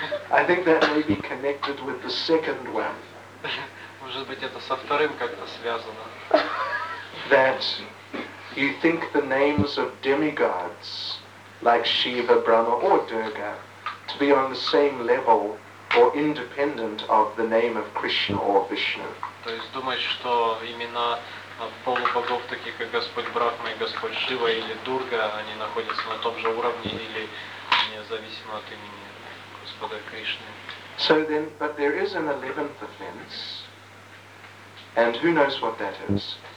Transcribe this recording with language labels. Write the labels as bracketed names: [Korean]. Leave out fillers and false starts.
[English] I think that may be connected with the second one. [Russian] Может быть, это со вторым как-то связано. [English] That you think the names of demigods like Shiva, Brahma, or Durga to be on the same level or independent of the name of Krishna or Vishnu. [Russian] То есть думать, что имена полубогов, таких как Господь Брахма и Господь Шива или Дурга, они находятся на том же уровне или независимо от имени Господа Кришны. [English] So then, but there is an 11th offense, and who knows what that is?